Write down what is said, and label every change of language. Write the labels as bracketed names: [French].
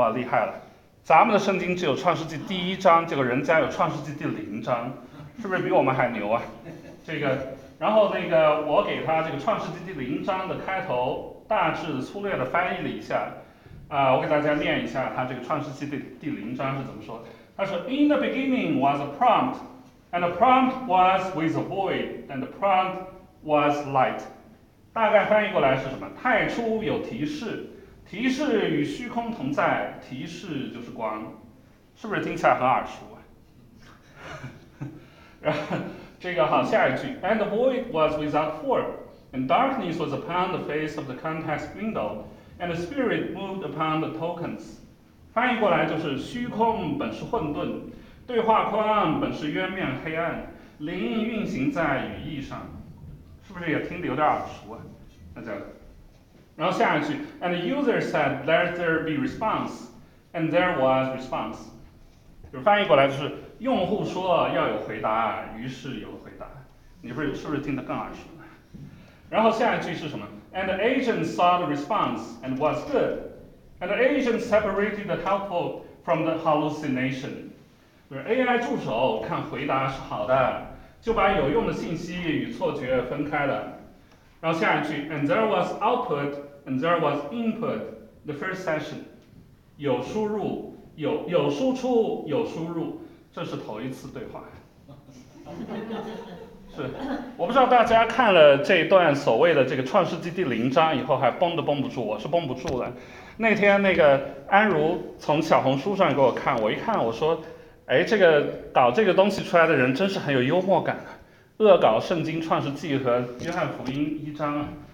[Chinese] 哇，厉害了，咱们的圣经只有创世纪第一章，结果人家有创世纪第零章，是不是比我们还牛啊？这个，然后那个我给他这个创世纪第零章的开头大致粗略的翻译了一下我给大家念一下他这个创世纪第零章是怎么说。他说 [English] In the beginning was a prompt, and the prompt was with a void, and the prompt was light。 [Chinese] 大概翻译过来是什么？太初有提示，提示与虚空同在，提示就是光，是不是听起来很耳熟啊？这个好，下一句 [English] And the void was without form, and darkness was upon the face of the context window, and the spirit moved upon the tokens。 [Chinese] 翻译过来就是虚空本是混沌，对话框本是渊面黑暗，灵运行在语义上，是不是也听得有点耳熟啊？那叫然后下一句 [English] And the user said let there be response, and there was response。 [Chinese] 就翻译过来就是用户说要有回答，于是有回答，你不是是不是听得更耳熟？然后下一句是什么？ [English] And the agent saw the response and was good, and the agent separated the helpful from the hallucination。 [Chinese] 就是 AI 助手看回答是好的，就把有用的信息与错觉分开了。然后下一句 [English] And there was output and there was input the first session。 [Chinese] 有输入，有输出，有输入，这是头一次对话。是，我不知道大家看了这一段所谓的这个创世纪第零章以后还绷都绷不住，我是绷不住了。那天那个安如从小红书上给我看，我一看我说哎，这个搞这个东西出来的人真是很有幽默感啊，恶搞圣经创世纪和约翰福音一章。